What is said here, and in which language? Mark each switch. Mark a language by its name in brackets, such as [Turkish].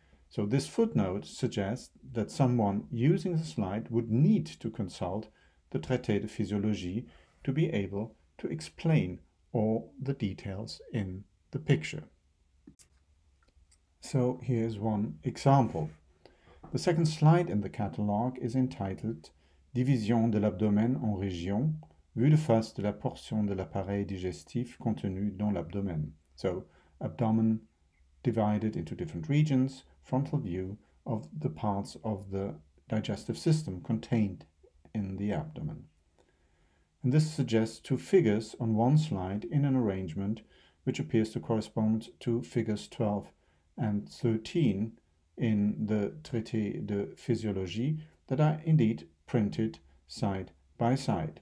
[English] So this footnote suggests that someone using the slide would need to consult the Traité de Physiologie to be able to explain all the details in the picture. So here's one example. The second slide in the catalogue is entitled D [French] division de l'abdomen en régions, vue de face de la portion de l'appareil digestif contenue dans l'abdomen. [English] So, abdomen divided into different regions, frontal view of the parts of the digestive system contained in the abdomen. And this suggests two figures on one slide in an arrangement which appears to correspond to figures 12 and 13 in the Traité de Physiologie that are indeed printed side by side.